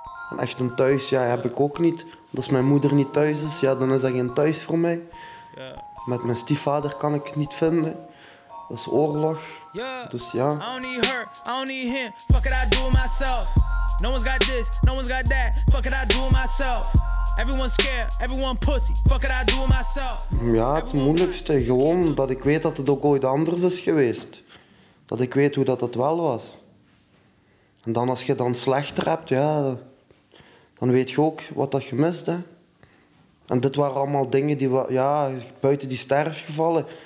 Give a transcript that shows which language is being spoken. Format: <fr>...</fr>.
<nl>En echt een thuis, ja, heb ik ook niet. Want als mijn moeder niet thuis is, ja, dan is dat geen thuis voor mij. Ja. Met mijn stiefvader kan ik het niet vinden. Dat is oorlog. Ja. Dus ja.</nl> <en>I don't need her, I don't need him. Fuck it, I do it myself. No one's got this, no one's got that. Fuck it, I do it myself. Everyone's scared, everyone pussy. Fuck it, I do it myself.</en> <nl>Ja, het everyone moeilijkste. Gewoon dat ik weet dat het ook ooit anders is geweest. Dat ik weet hoe dat het wel was. En dan als je dan slechter hebt, ja, dan weet je ook wat dat gemist, hè. En dit waren allemaal dingen die, ja, buiten die sterfgevallen.</nl>